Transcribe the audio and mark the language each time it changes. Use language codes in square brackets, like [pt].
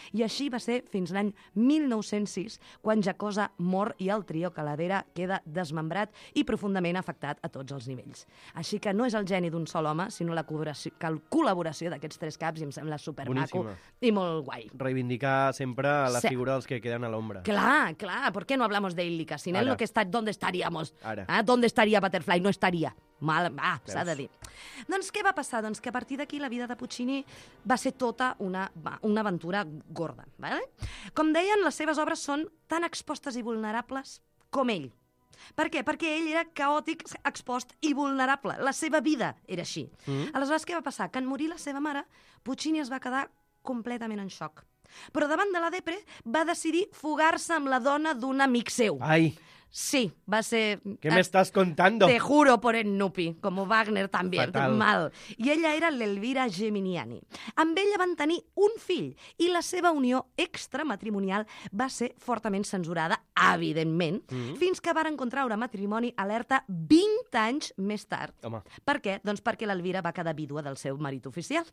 [ca] I així va ser fins l'any 1906, quan Giacosa mor i el trio Calavera queda desmembrat i profundament afectat a tots els nivells. Així que no és el geni d'un sol home, sinó la col·laboració d'aquests tres caps, i em sembla supermaco. I molt guai. Reivindicar sempre la figura dels que queden a l'ombra. Clar, clar. [es] ¿Por qué no hablamos de Illica? Sin él, ¿dónde estaríamos? [ca] Ara. [es] ¿Dónde estaría Butterfly? No estaría. [ca] Mal, va, s'ha de dir. Doncs què va passar? Doncs que a partir d'aquí la vida de Puccini va ser tota una aventura gorda. ¿Vale? Com deien, les seves obres són tan expostes i vulnerables com ell. Per què? Perquè ell era caòtic, expost i vulnerable. La seva vida era així. Mm-hmm. Aleshores, què va passar? Que en morir la seva mare, Puccini es va quedar completament en xoc. Però davant de la depre va decidir fugar-se amb la dona d'un amic seu. Ai! Sí, va ser... [es] ¿Qué me estás contando? Te juro por el Nupi, como Wagner también. [ca] Fatal. Mal. I ella era l'Elvira Geminiani. Amb ella van tenir un fill i la seva unió extramatrimonial va ser fortament censurada, evidentment, fins que varen contraure matrimoni alerta 20 anys més tard. Home. Per què? Doncs perquè l'Elvira va quedar vídua del seu marit oficial.